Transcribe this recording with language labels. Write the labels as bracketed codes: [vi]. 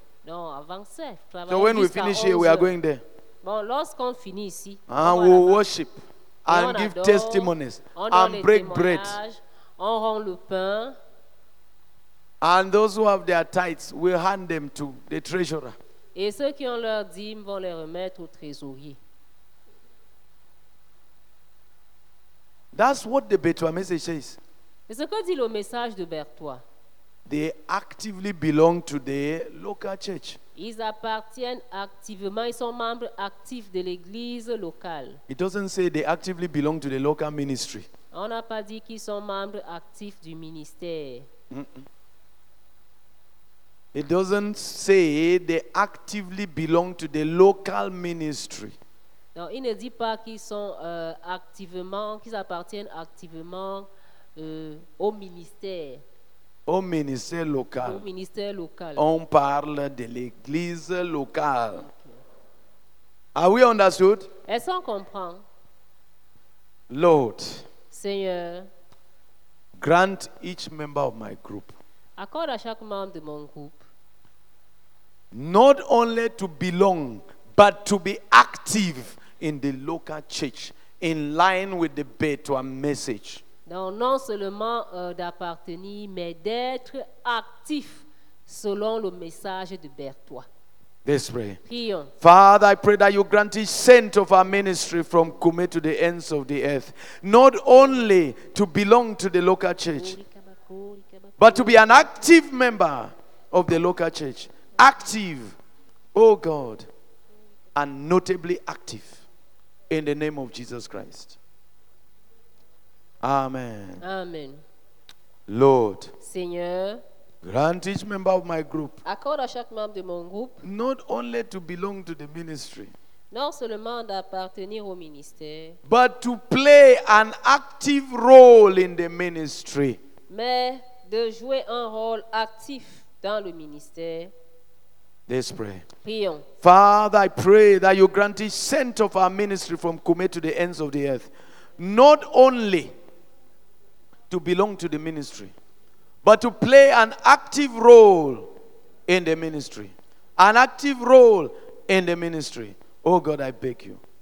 [fr] Non, avant 7, [en] so when we finish here, we are going there. [fr] Bon, lorsqu'on finit ici, [en] and we will worship and give testimonies and break bread. [fr] On rend le pain. [en] And those who have their tithes, we hand them to the treasurer. [fr] Et ceux qui ont leur dîme vont les remettre au trésorier. [en] That's what the Betwa message says. [fr] Et ce que dit le message de Betwa? [en] They actively belong to the local church. [fr] Ils appartiennent activement, ils sont membres actifs de l'église locale. [en] It doesn't say they actively belong to the local ministry. [fr] On n'a pas dit qu'ils sont membres actifs du ministère. [en] It doesn't say they actively belong to the local ministry. [fr] Non, il ne dit pas qu'ils sont activement, qu'ils appartiennent activement au ministère. Au ministère local. Au ministère local. On parle de l'église locale. Okay. [en] Are we understood? [fr] Est-ce qu'on comprend? [en] Lord. [fr] Seigneur. [en] Grant each member of my group. [fr] Accorde à chaque membre de mon groupe. [en] Not only to belong, but to be active in the local church, in line with the Betwa message. [fr] Donc, non seulement d'appartenir, mais d'être actif selon le message de Betwa. [en] Let's pray. [fr] Prions. [en] Father, I pray that you grant each saint of our ministry from Kume to the ends of the earth, not only to belong to the local church, but to be an active member of the local church. Active, oh God, and notably active in the name of Jesus Christ. Amen. Amen. Lord. [fr] Seigneur. [en] Grant each member of my group. [fr] Accorde à chaque membre de mon groupe. [en] Not only to belong to the ministry. [fr] Non seulement d'appartenir au ministère. [en] But to play an active role in the ministry. [fr] Mais de jouer un rôle actif dans le ministère. [en] Let's pray. [fr] Prions. [en] Father, I pray that you grant each saint of our ministry from Kume to the ends of the earth, not only to belong to the ministry, but to play an active role in the ministry. An active role in the ministry. Oh God, I beg you.